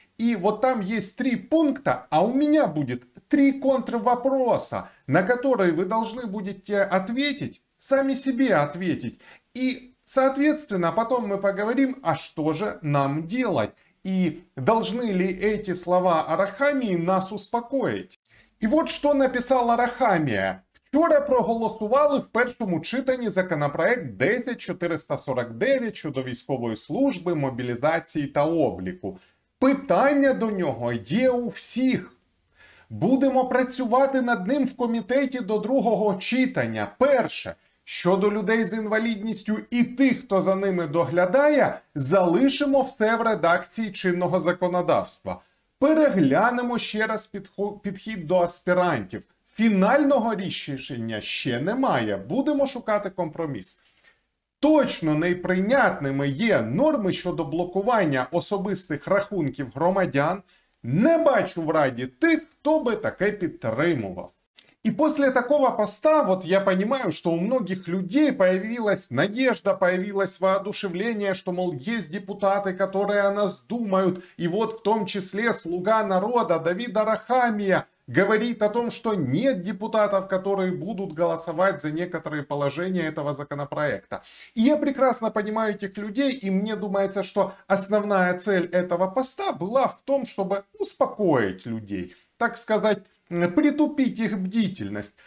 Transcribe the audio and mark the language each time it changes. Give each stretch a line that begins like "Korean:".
Russian: И вот там есть три пункта, а у меня будет три контрвопроса, на которые вы должны будете ответить, сами себе ответить. И, соответственно, потом мы поговорим, а что же нам делать? И должны ли эти слова Арахамии нас успокоить? И вот что написал Арахамия.
Ukrainian: Вчора проголосували в першому читанні законопроект 10449 щодо військової служби, мобілізації та обліку. Питання до нього є у всіх. Будемо працювати над ним в комітеті до другого читання. Перше, щодо людей з інвалідністю і тих, хто за ними доглядає, залишимо все в редакції чинного законодавства. Переглянемо ще раз підхід до аспірантів. Фінального рішення ще немає. Будемо шукати компроміс. Точно неприйнятними є норми щодо блокування особистих рахунків громадян. Не бачу в Раді тих, хто би таке підтримував. І після такого поста, от я розумію, що
Russian: у многих людей появилась надежда, появилось воодушевлення,
Ukrainian: що, мол, є депутати, які о нас думають. І от в тому числі
Russian: слуга народу Давид Арахамія говорит о том, что нет депутатов, которые будут голосовать за некоторые положения этого законопроекта. И я прекрасно понимаю этих людей, и мне думается, что основная цель этого поста была в том, чтобы успокоить людей, так сказать, притупить их бдительность.